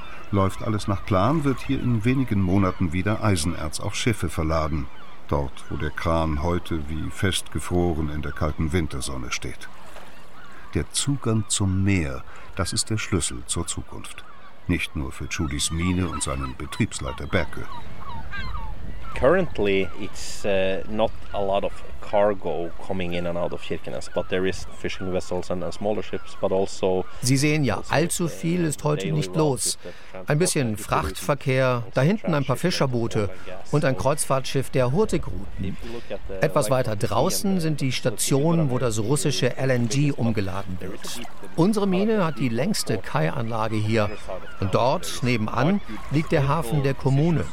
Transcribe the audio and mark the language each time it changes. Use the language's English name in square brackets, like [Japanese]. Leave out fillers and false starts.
[German] Läuft alles nach Plan, wird hier in wenigen Monaten wieder Eisenerz auf Schiffe verladen, dort, wo der Kran heute wie festgefroren in der kalten Wintersonne steht. Der Zugang zum Meer, das ist der Schlüssel zur Zukunft. Nicht nur für Judys Mine und seinen Betriebsleiter Berke. [English] Currently it's not a lot of cargo coming in and out of Kirkenes, but there is fishing vessels and smaller ships, but also. [German] Sie sehen ja, allzu viel ist heute nicht los. Ein bisschen Frachtverkehr, da hinten ein paar Fischerboote und ein Kreuzfahrtschiff der Hurtigruten. Etwas weiter draußen sind die Stationen, wo das russische LNG umgeladen wird. Unsere Mine hat die längste Kaianlage hier. Und dort, nebenan, liegt der Hafen der Kommune.